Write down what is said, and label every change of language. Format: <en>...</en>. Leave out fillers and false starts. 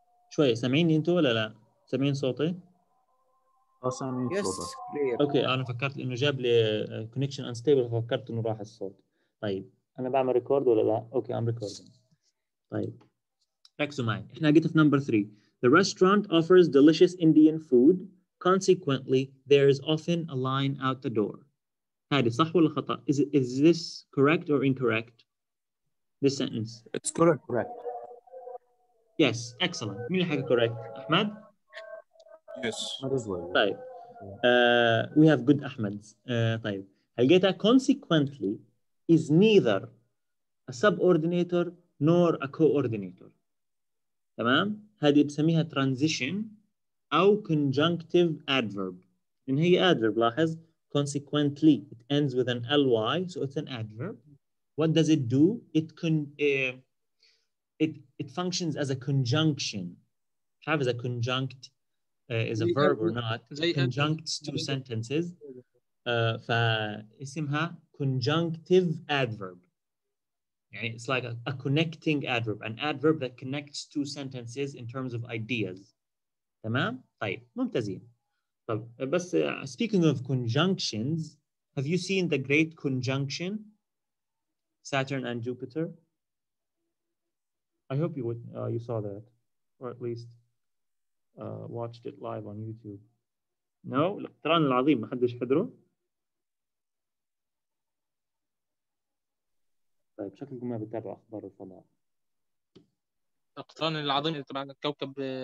<ar>شوي, سامعيني انتو ولا لا؟ سامعين صوتي؟ اه, سامعين صوتك. اوكي, انا فكرت انه جاب لي</ar> <en>connection unstable,</en> <ar>فكرت انه راح الصوت. طيب, انا بعمل ريكورد ولا لا؟ اوكي,</ar> <en>I'm recording.</en> <ar>طيب, ركزوا معي, احنا جيت في number 3.</ar> <en>The restaurant offers delicious Indian food. Consequently, there is often a line out the door.</en> <ar>هذه صح ولا خطأ?</ar> <en>Is this correct or incorrect? This sentence. It's correct. Correct. Yes, excellent.</en> <ar>مين حاجة</ar> <en>correct? Ahmad? Yes. طيب. We have good Ahmads. طيب.</en> <ar>هل جيتها</ar> <en>consequently, is neither a subordinator nor a coordinator.</en> <ar>تمام؟ هذه بسميها transition أو conjunctive adverb. إن هي adverb لاحظ.</ar> <en>Consequently, it ends with an ly, so it's an adverb. What does it do? It functions as a conjunction. Have as a conjunct is a verb or not? Conjuncts two sentences.</en> <ar>Fa isimha conjunctive adverb.</ar> <en>يعني it's like a connecting adverb, an adverb that connects two sentences in terms of ideas.</en> <ar>تمام؟ طيب ممتازين.</ar> <en>طب بس speaking of conjunctions, have you seen the great conjunction Saturn and Jupiter? I hope you saw that, or at least watched it live on YouTube.</en> <ar>No, الاقتران العظيم ما حدش حضره. طيب شكلكم ما بتتابعوا أخبار الفضاء. الاقتران العظيم طبعا الكوكب</ar>